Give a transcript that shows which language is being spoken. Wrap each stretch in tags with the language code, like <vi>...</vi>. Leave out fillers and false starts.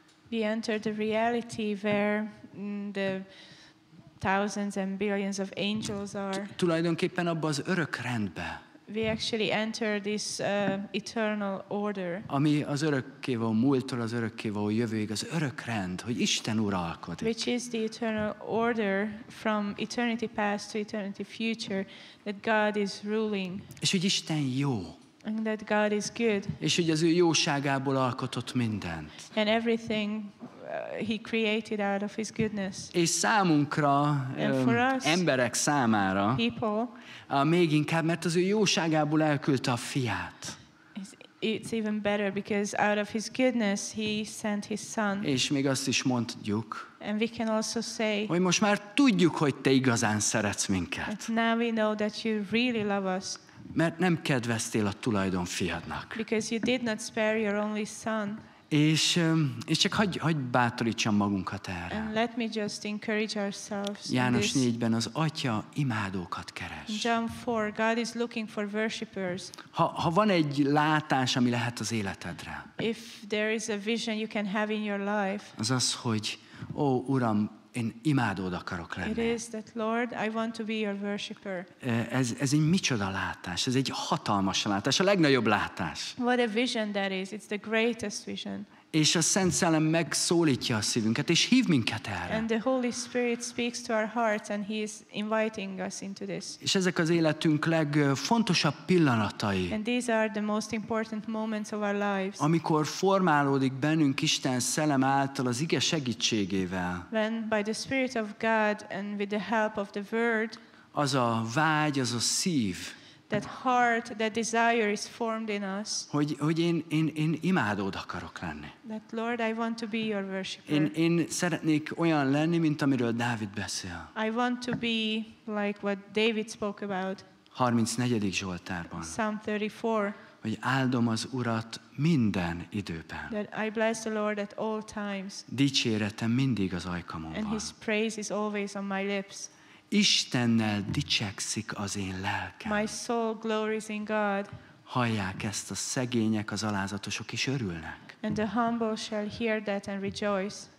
<en>We enter the reality where the thousands and billions of angels are.</en> <hu>Tulajdonképpen abba az örök rendbe.</hu> <en>We actually enter this eternal order.</en> <hu>Ami az örökkévaló múltól az örökkévaló jövőig, az örök rend, hogy Isten uralkodik.</hu> <en>Which is the eternal order from eternity past to eternity future that God is ruling.</en> <hu>És hogy Isten jó.</hu> <en>And that God is good.</en> <hu>És hogy az ő jóságából alkotott mindent.</hu> <en>And everything he created out of his goodness.</en> <hu>És számunkra, emberek számára,</hu> <en>people,</en> <hu>még inkább, mert az ő jóságából elküldte a fiát.</hu> <en>It's even better because out of his goodness he sent his son.</en> <hu>És még azt is mondjuk,</hu> <en>and we can also say,</en> <hu>hogy most már tudjuk, hogy te igazán szeretsz minket.</hu> <en>That now we know that you really love us.</en> <hu>Mert nem kedveztél a tulajdon fiadnak.</hu> <en>Because you did not spare your only son.</en> <hu>És csak hagyj bátorítsam magunkat erre.</hu> <en>And let me just encourage ourselves.</en> <hu>János 4-ben az Atya imádókat keres.</hu> <en>John 4, God is looking for worshipers.</en> <hu>Ha van egy látás, ami lehet az életedre.</hu> <en>If there is a vision you can have in your life.</en> <hu>Az, hogy ó, Uram, én imádód akarok lenni.</hu> <en>It is that Lord, I want to be your worshipper.</en> <hu>Ez egy micsoda látás, ez egy hatalmas látás, a legnagyobb látás.</hu> <en>What a vision that is, it's the greatest vision.</en> <hu>És a Szent Szellem megszólítja a szívünket, és hív minket erre.</hu> <en>And the Holy Spirit speaks to our hearts, and he is inviting us into this.</en> <hu>És ezek az életünk legfontosabb pillanatai.</hu> <en>And these are the most important moments of our lives.</en> <hu>Amikor formálódik bennünk Isten Szellem által az ige segítségével.</hu> <en>When by the Spirit of God and with the help of the Word.</en> <hu>Az a vágy, az a szív.</hu> <en>That heart, that desire is formed in us.</en> <hu>Hogy én imádód akarok lenni.</hu> <en>That Lord, I want to be your worshiper.</en> <hu>Én szeretnék olyan lenni, mint amiről Dávid beszél.</hu> <en>I want to be like what David spoke about.</en> <hu>34. Zsoltárban.</hu> <en>Psalm 34.</en> <hu>Hogy áldom az Urat minden időben.</hu> <en>That I bless the Lord at all times.</en> <hu>Dicséretem mindig az ajkamon van.</hu> <en>And his praise is always on my lips.</en> <hu>Istennel dicsekszik az én lelkem.</hu> <en>My soul glories in God.</en> <hu>Hallják ezt a szegények, az alázatosok is örülnek.</hu> <en>And the humble shall hear that and rejoice.</en>